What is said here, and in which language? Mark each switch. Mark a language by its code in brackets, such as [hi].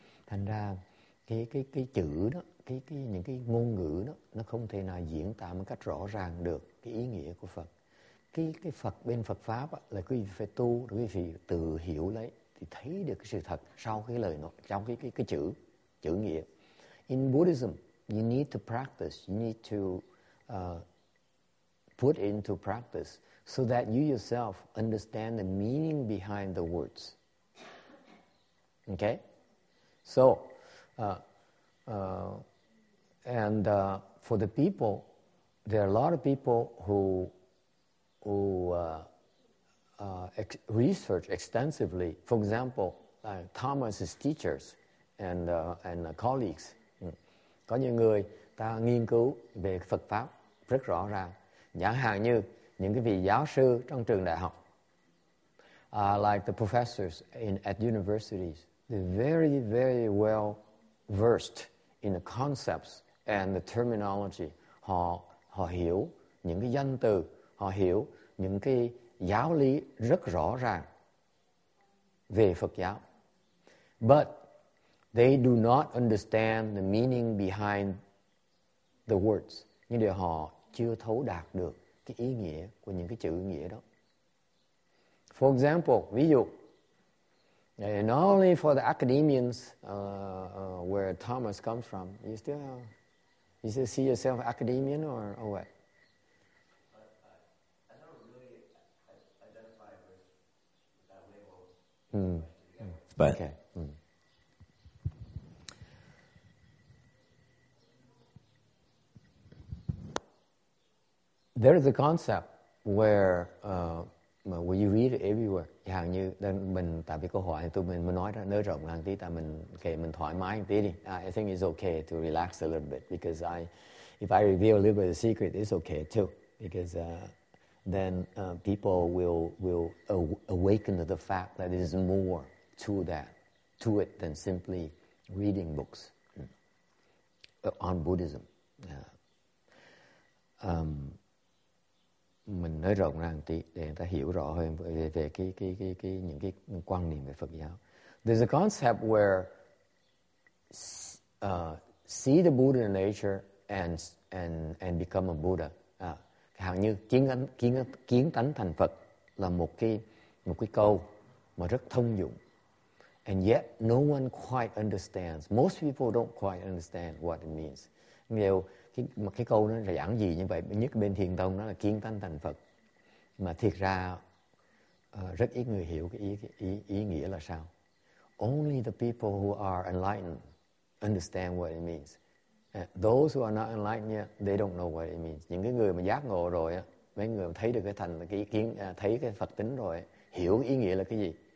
[vi] Thành ra cái chữ đó, những cái ngôn ngữ đó nó không thể nào diễn tả một cách rõ ràng được cái ý nghĩa của Phật. Cái Phật bên Phật pháp á, là quý vị phải tu, quý vị tự hiểu lấy thì thấy được cái sự thật sau cái lời nói, trong cái chữ nghĩa. [en] In Buddhism, you need to practice, you need to put into practice so that you yourself understand the meaning behind the words. Okay? So for the people, there are a lot of people who research extensively. For example, Thomas's teachers and colleagues. [vi] Có nhiều người ta nghiên cứu về Phật pháp rất rõ ràng. Chẳng hạn như những cái vị giáo sư trong trường đại học. [en] Like the professors at universities, they're very, very well versed in the concepts and the terminology. [vi] Họ hiểu những cái danh từ, họ hiểu những cái giáo lý rất rõ ràng về Phật giáo. [en] But they do not understand the meaning behind the words. [vi] Nhưng điều họ chưa thấu đạt được cái ý nghĩa của những cái chữ nghĩa đó. [en] For example, [vi] ví dụ, [en] not only for the academians where Thomas comes from, you still see yourself academian or what? But okay. There is a concept where when you read it everywhere. [vi] Chẳng như đơn mình tại vì câu hỏi thì tôi nói ra nới rộng hơn tí, tại mình kể mình thoải mái tí đi. [en] I think it's okay to relax a little bit because if I reveal a little bit of the secret, it's okay too because. Then people will awaken to the fact that there is more to it than simply reading books on Buddhism. [vi] Mình nói rộng ràng tí để người ta hiểu rõ hơn về cái những cái quan niệm về Phật giáo. [en] There's a concept where see the Buddha in nature and become a Buddha. [vi] Hàng như kiến tánh thành Phật là một cái câu mà rất thông dụng. [en] And yet, no one quite understands. Most people don't quite understand what it means. [vi] Nhiều, cái câu nó là giảng gì như vậy? Nhất bên Thiền Tông nó là kiến tánh thành Phật. Mà thiệt ra, rất ít người hiểu cái ý nghĩa là sao. [en] Only the people who are enlightened understand what it means. Those who are not enlightened yet, they don't know what it means. [vi] Những cái người mà giác ngộ rồi á, mấy người mà thấy được thấy cái Phật tính rồi, hiểu ý nghĩa là cái gì.